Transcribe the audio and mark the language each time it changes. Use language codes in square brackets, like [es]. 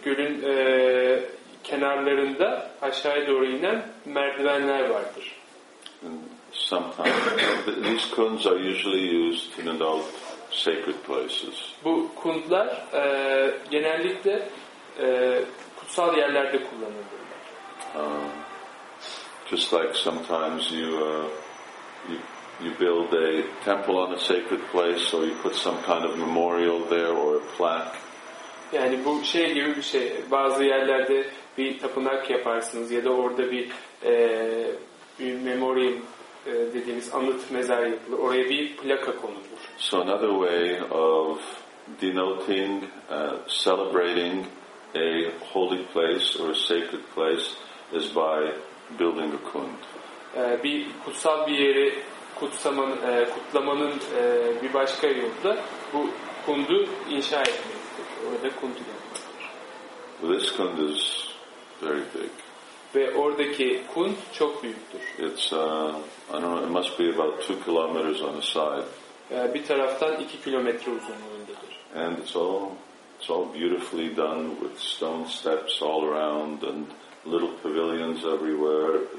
[tr] Gölün kenarlarında aşağıya doğru inen merdivenler vardır. [en] Sometimes these kunds are usually used in adult sacred places. [tr] Bu kundlar genellikle kutsal yerlerde kullanılır. [en] Just like sometimes you build a temple on a sacred place, or you put some kind of memorial there or a plaque. [tr] Yani bu şey gibi bir şey. Bazı yerlerde bir tapınak yaparsınız ya da orada bir memorial dediğimiz anıt mezar yapılır. Oraya bir plaka konulur. [en] So another way of denoting, celebrating a holy place or a sacred place is by building a kund. [tr] Bir kutsal bir yeri kutlamanın bir başka yolu da bu kundu inşa etmektir. Orada kundu yapmaktır. [en] This kund is very big. [tr] Ve oradaki kund çok büyüktür. [en] It's it must be about 2 kilometers on the side. [tr] Bir taraftan 2 kilometre uzunluğundadır. [en] And it's all beautifully done with stone steps all around and little pavilions everywhere.